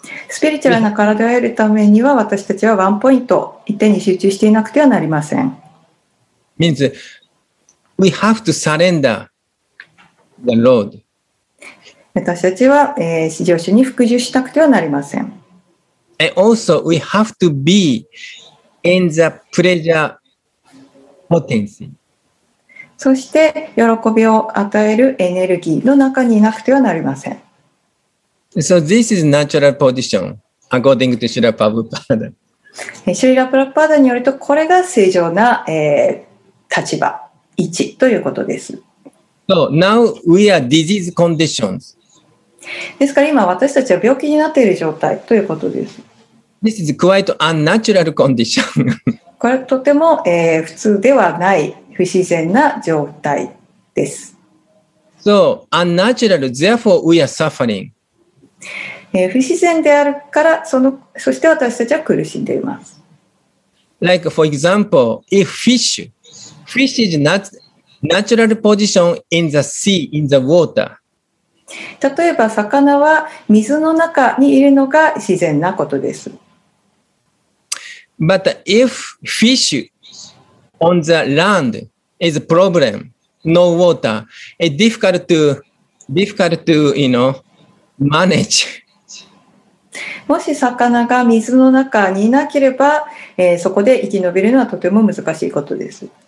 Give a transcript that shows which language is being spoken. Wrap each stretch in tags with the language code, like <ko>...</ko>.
<ja>スピリチュアルな体を得るためには私たちはワンポイント、一点に集中していなくてはなりません。</ja> <en>Means,We have to surrender the Lord.</en> <ja>私たちは、至上主に服従したくてはなりません。</ja> <en>And also, we have to be in the pleasure potency.</en> <ja>そして、喜びを与えるエネルギーの中にいなくてはなりません。</ja> <en>So this is natural position, according to Srila Prabhupada.</en> <ja>Srila Prabhupada によると、これが正常な、立場。 1ということです。</ja> <en>So now we are disease conditions.</en> <ja>ですから今私たちは病気になっている状態ということです。</ja> <en>This is quite unnatural condition.</en> <ja>これはとても、普通ではない不自然な状態です。</ja> <en>So unnatural, therefore we are suffering.</en> <ja>不自然であるから、そして私たちは苦しんでいます。</ja> <en>Like for example, if fish,Fish is not natural position in the sea, in the water.</en> <ja>例えば魚は水の中にいるのが自然なことです。</ja> <en>But if fish on the land is a problem, no water, it's difficult to, you know, manage.</en> <ja>もし魚が水の中にいなければ、そこで生き延びるのはとても難しいことです。</ja>